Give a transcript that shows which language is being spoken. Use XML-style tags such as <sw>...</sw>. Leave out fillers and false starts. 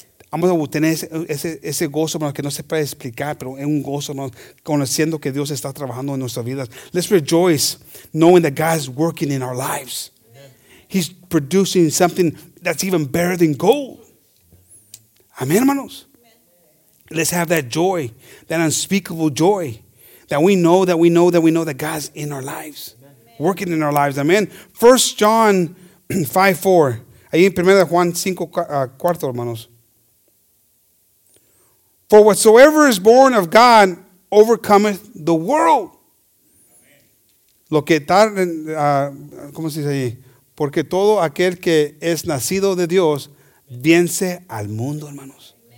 <es>Vamos a obtener ese gozo, hermanos, que no se puede explicar, pero es un gozo, hermanos, conociendo que Dios está trabajando en nuestras vidas.</es> <en>Let's rejoice knowing that God is working in our lives. He's producing something that's even better than gold. Amen, hermanos. Amen. Let's have that joy, that unspeakable joy, that we know, that we know, that we know that God's in our lives, amen, working in our lives. Amen. 1 John 5:4.</en> <es>Ahí en 1 Juan 5, cuarto, hermanos.</es> <en>For whatsoever is born of God overcometh the world.</en> <es>Lo que está, ¿cómo se dice ahí? Porque todo aquel que es nacido de Dios vence al mundo, hermanos.</es>